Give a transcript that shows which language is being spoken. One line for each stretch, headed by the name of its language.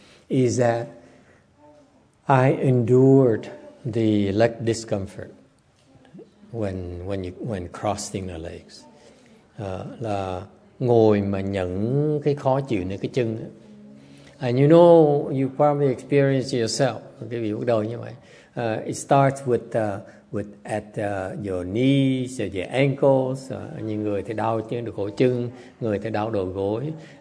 English: Is that I endured the leg discomfort when crossing the legs.
Vietnamese: Là ngồi mà nhận cái khó chịu nơi cái chân.
English: And you know, you probably experience it yourself.
Vietnamese: Cái bị bắt đầu như vậy.
English: It starts with your knees, at your ankles.
Vietnamese: Như người thì đau chân được cổ chân, người thì đau đầu gối.